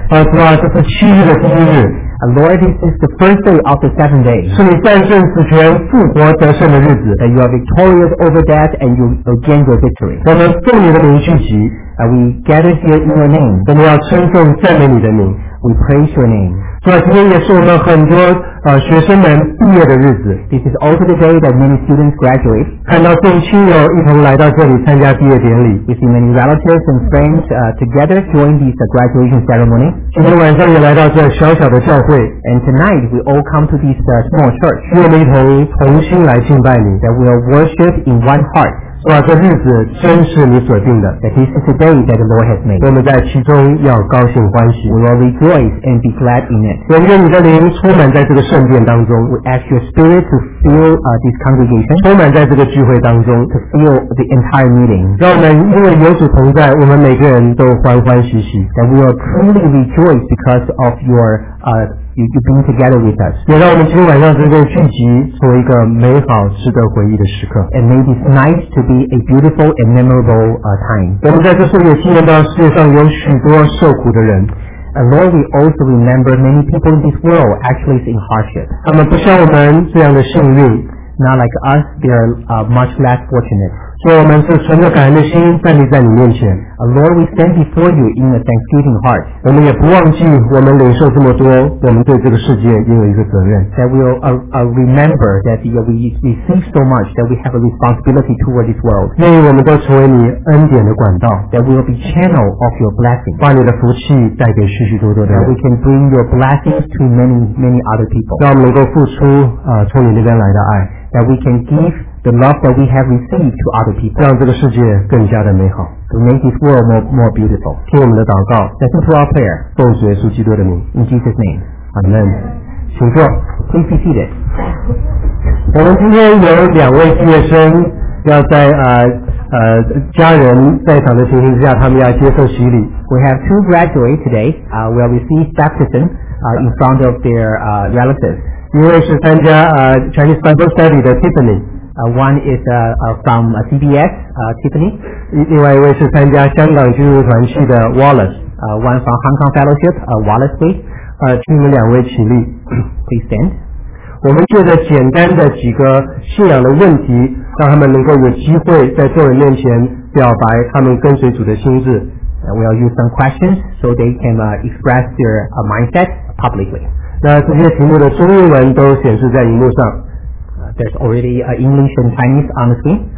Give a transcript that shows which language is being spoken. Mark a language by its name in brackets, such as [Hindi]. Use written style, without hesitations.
[Chinese] 主啊，这是七日的第一日。 [English] Lord, this is the first day of the seventh day. [Chinese] 是你战胜死权、复活得胜的日子。 [English] And you are victorious over death and you gain your victory. [Chinese] 我们奉你的名聚集。 [English] We gather here in your name. [Chinese] 我们要称颂赞美你的名。 [English] We praise your name. [Chinese] 主啊，今天也是我们很多学生们毕业的日子。 [English] This is also the day that many students graduate. [Chinese] 看到众亲友一同来到这里参加毕业典礼。 [English] We see many relatives and friends together join this graduation ceremony. [Chinese] 今天晚上也来到这小小的教会。 [English] And tonight we all come to this small church. [Chinese] 与我们一同同心来敬拜你。 [English] That we will worship in one heart. [Chinese] 主啊，这日子真是你所定的。 [English] That this is the day that the Lord has made. [Chinese] 我们在其中要高兴欢喜。 [English] We will rejoice and be glad in it. [Chinese] 愿你的灵充满在这个圣殿当中。 [English] We ask your spirit to fill this congregation. [Chinese] 充满在这个聚会当中。 [English] To fill the entire meeting. [Chinese] 让我们因为有主同在，我们每个人都欢欢喜喜。 [English] That we will truly rejoice because of your you being together with us. [Chinese] 也让我们今天晚上这个聚集做一个美好值得回忆的时刻。 [English] And may this night to be a beautiful and memorable time. [Chinese] 我们在这岁月纪念到世界上有许多受苦的人。 [English] And Lord, we also remember many people in this world actually is in hardship. [Chinese] 他们不像我们这样的幸运。 [English] Not like us, they are much less fortunate. [Chinese] 所以我们是存着感恩的心站立在你面前。 [English] Lord, we stand before you in a thanksgiving heart. [Chinese] 我们也不忘记我们领受这么多，我们对这个世界也有一个责任。 [English] That we remember that we receive so much that we have a responsibility toward this world. [Chinese] 愿意我们都成为你恩典的管道。 [English] That we will be channel of your blessing. [Chinese] 把你的福气带给许许多多的人。 [English] That we can bring your blessings to many, many other people. [Chinese] 让我们能够付出从你那边来的爱。 [English] That we can give the love that we have received to other people. [Chinese] 让这个世界更加的美好。 [English] To make this world more beautiful. [Chinese] 听我们的祷告。 [English] Listen to our prayer. [Chinese] 奉主耶稣基督的名。 [English] In Jesus' name. [Chinese] Amen. 请坐。 [English] Please be seated. [Chinese] 我们今天有两位毕业生要在家人在场的情形之下，他们要接受洗礼。 [English] We have two graduates today. Will receive baptism in front of their relatives. [Chinese] 一位是参加Chinese Bible Study 的 Tiffany. [English] One is from CBS, Tiffany. [Chinese] 另外一位是参加香港基督团契的 Wallace. [English] One from Hong Kong Fellowship, Wallace Lee. [Chinese] 请你们两位起立。 [English] Please stand. [Chinese] 我们借着简单的几个信仰的问题，让他们能够有机会在众人面前表白他们跟随主的心志。 [English] We'll use some questions so they can express their mindset publicly. [Chinese] 那这些题目的中英文都显示在荧幕上。 [English] There's already an English and Chinese on the screen.